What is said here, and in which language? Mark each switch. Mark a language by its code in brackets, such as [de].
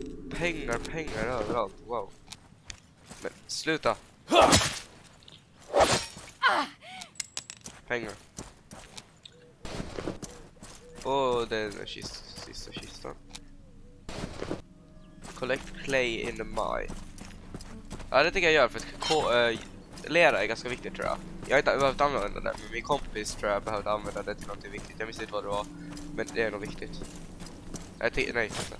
[sv] Pengar överallt. Wow. Men sluta. Pengar. Åh, det är den sista kistan. [en] Collect clay in the mine. [sv] Ja, det tycker jag gör för att lera är ganska viktigt, tror jag. Jag har inte behövt använda det, men min kompis tror jag behövde använda det till något viktigt. Jag visste inte vad det var, men det är nog viktigt. Nej, okej.